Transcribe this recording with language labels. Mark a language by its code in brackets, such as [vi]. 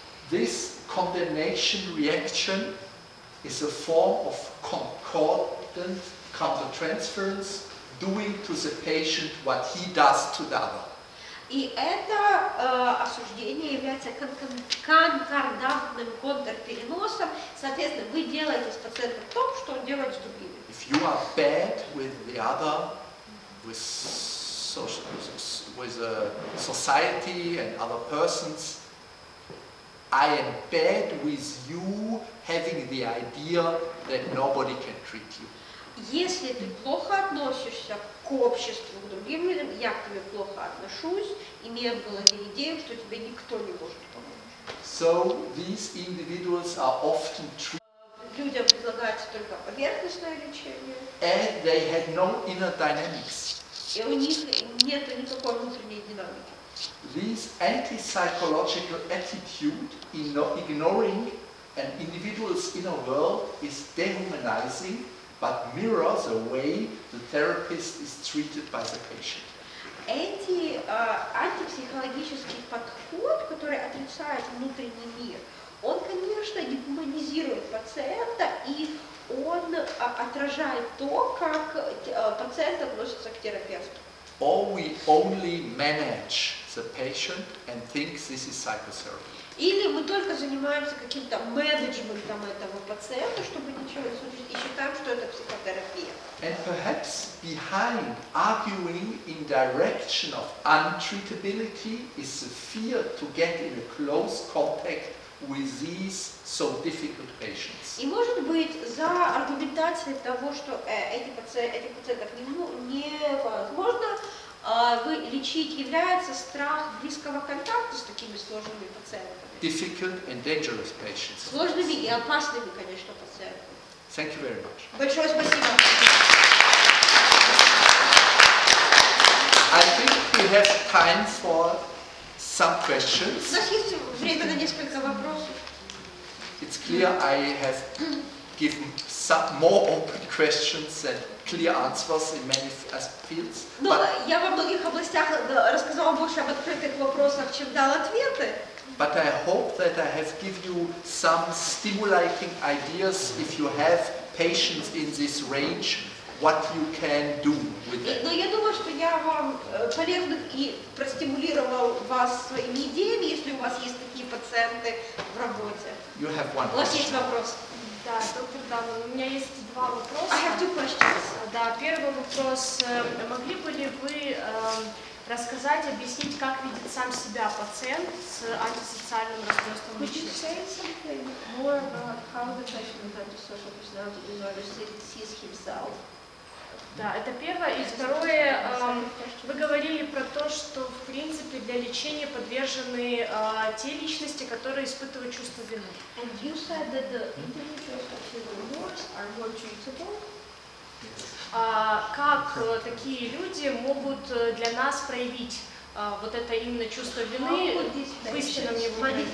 [en] This condemnation reaction is a form of concordant countertransference, doing to the patient what he does to the other. [ru] И это осуждение является конкордантным контрпереносом. Соответственно, вы делаете с пациентом то, что он делает с другими. [en] If you are bad with the other, with social, with a society and other persons, I am bad with you having the idea that nobody can treat you. [ru] Если ты плохо относишься к обществу, к другим людям, я к тебе плохо отношусь, имея в голове идею, что тебе никто не может помочь. [en] So these individuals are often treated. [ru] Людям предлагается только поверхностное лечение. [en] And they had no inner dynamics. [ru] И у них нет никакой внутренней динамики. [en] This anti-psychological attitude in ignoring an individual's inner world is dehumanizing, but mirrors the way the therapist is treated by the patient. [ru] Эти антипсихологический подход, который отрицает внутренний мир, он, конечно, дегуманизирует пациента, и он отражает то, как пациент относится к терапевту. [en] Or we only manage the patient and think this is psychotherapy. [ru] Или мы только занимаемся каким-то менеджментом этого пациента, чтобы ничего не случилось, и считаем, что это психотерапия. [en] And perhaps behind arguing in direction of untreatability is the fear to get in a close contact with these so difficult patients. [ru] И может быть за аргументацией того, что этих пациентов невозможно лечить, является страх близкого контакта с такими сложными пациентами. [en] Difficult and dangerous patients. [ru] Сложными и опасными, конечно, пациентами. [en] Thank you very much. [ru] Большое спасибо. [en] I think we have time for some questions. [ru] У нас есть время на несколько вопросов. [en] It's clear I have given some more open questions than clear answers in many fields. [ru] Но я во многих областях рассказала больше об открытых вопросах, чем дала ответы. [en] But I hope that I have given you some stimulating ideas if you have patients in this range, what you can do with them. [ru] Но я думаю, что я вам полезных и простимулировал вас своими идеями, если у вас есть такие пациенты в работе. [en] You have one. [ru] У вас есть вопрос? Да, доктор Дамманн, у меня есть два вопроса. [en] I have two questions. [ru] Да, первый вопрос. Могли бы ли вы рассказать, объяснить, как видит сам себя пациент с антисоциальным расстройством личности? [en] Could you say something more about how the patient with antisocial personality disorder sees himself? [ru] Да, это первое. И второе, вы говорили про то, что в принципе для лечения подвержены те личности, которые испытывают чувство вины. [en] And you said that the individuals who feel remorse are more treatable? [ru] Как такие люди могут для нас проявить вот это именно чувство вины в истинном его